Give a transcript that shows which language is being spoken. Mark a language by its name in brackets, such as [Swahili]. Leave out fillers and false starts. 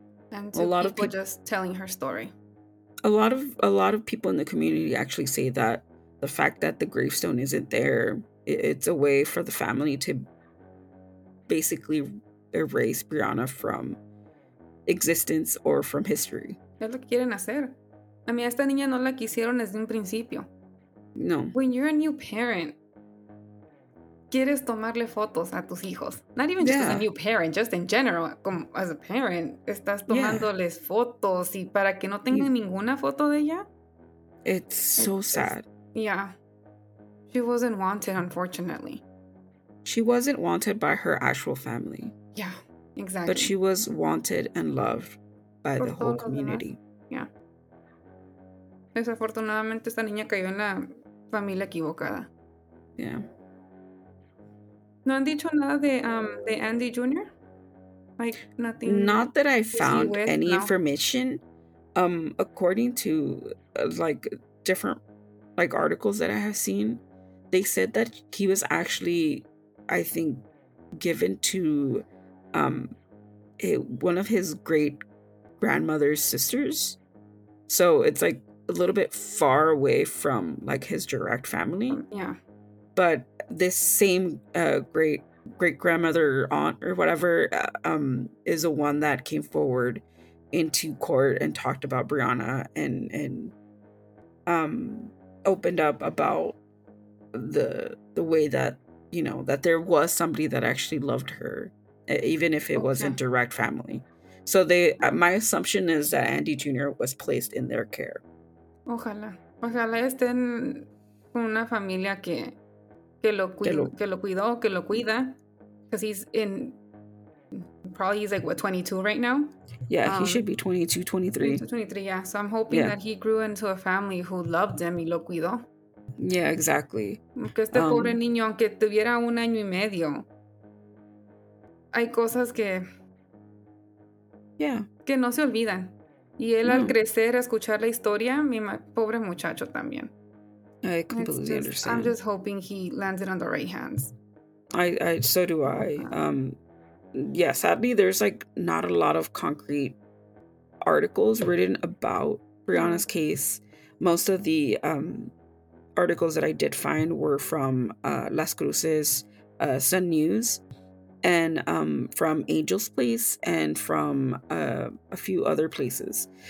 [English] And to a lot people of just telling her story. A lot of people in the community actually say that the fact that the gravestone isn't there, it's a way for the family to basically erase Brianna from existence or from history. [Spanish] Es lo que quieren hacer. A mí a esta niña no la quisieron desde un principio. No. [English] When you're a new parent, [Spanish] quieres tomarle fotos a tus hijos. [English] Not even just as a new parent, just in general, como as a parent, [Spanish] estás tomándoles fotos y para que no tengan ninguna foto de ella. [English] It's so sad. Yeah. She wasn't wanted, unfortunately. She wasn't wanted by her actual family. Yeah, exactly. But she was wanted and loved by the whole community. Yeah. [Spanish] Desafortunadamente, esta niña cayó en la familia equivocada. [English] Yeah. [Spanish] ¿No han dicho nada de Andy Jr.? [English] Like, nothing. Not that I found any information. According to, different articles that I have seen, they said that he was actually, I think, given to one of his great-grandmother's sisters. So it's, a little bit far away from, his direct family. Yeah. But this same great-grandmother aunt or whatever is the one that came forward into court and talked about Brianna and opened up about the way that, that there was somebody that actually loved her, even if it wasn't direct family. So my assumption is that Andy Jr. was placed in their care. [Spanish] Ojalá estén con una familia que lo cuida. [English] Because he's 22 right now? Yeah, he should be 22, 23. 22, 23, yeah. So I'm hoping that he grew into a family who loved him [Spanish] y lo cuidó. [English] Yeah, exactly. [Spanish] Porque este pobre niño, aunque tuviera un año y medio, hay cosas que no se olvidan. Y él al crecer, escuchar la historia, pobre muchacho también. [English] I completely understand. I'm just hoping he landed on the right hands. I so do I. Sadly, there's not a lot of concrete articles written about Brianna's case. Most of the articles that I did find were from Las Cruces Sun News and from Angel's Place and from a few other places.